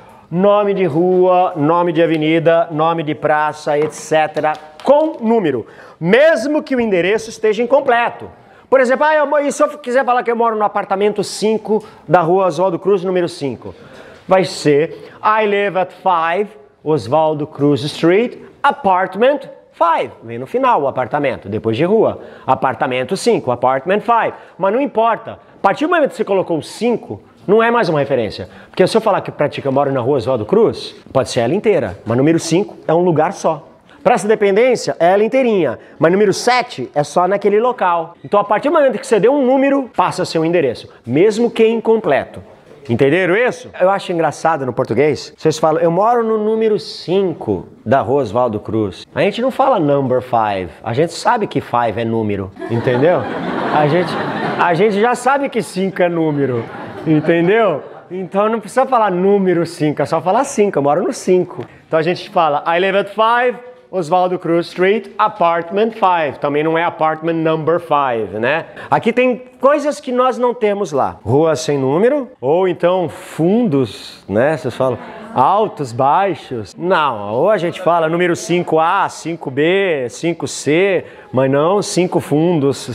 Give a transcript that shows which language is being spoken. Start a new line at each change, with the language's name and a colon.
Portuguese: Nome de rua, nome de avenida, nome de praça, etc. Com número. Mesmo que o endereço esteja incompleto. Por exemplo, e se eu quiser falar que eu moro no apartamento 5 da rua Oswaldo Cruz, número 5? Vai ser
English: I live at 5 Oswaldo Cruz Street, apartment 5.
Portuguese: Vem no final o apartamento, depois de rua. Apartamento 5,
English: apartment 5.
Portuguese: Mas não importa. A partir do momento que você colocou o 5, não é mais uma referência. Porque se eu falar que pratica moro na rua Oswaldo Cruz, pode ser ela inteira. Mas número 5 é um lugar só. Praça Independência é ela inteirinha, mas número 7 é só naquele local. Então, a partir do momento que você deu um número, passa a ser um endereço, mesmo que incompleto. Entenderam isso? Eu acho engraçado no português, vocês falam, eu moro no número 5 da Rua Oswaldo Cruz. A gente não fala
English: number 5,
Portuguese: a gente sabe que 5 é número, entendeu? A gente já sabe que 5 é número, entendeu? Então não precisa falar número 5, é só falar 5, eu moro no 5. Então a gente fala,
English: I live at 5. Oswaldo Cruz Street, apartment 5.
Portuguese: Também não é
English: apartment number 5,
Portuguese: né? Aqui tem coisas que nós não temos lá. Rua sem número, ou então fundos, né? Vocês falam altos, baixos. Não, ou a gente fala número 5A, 5B, 5C, mas não 5 fundos, 5...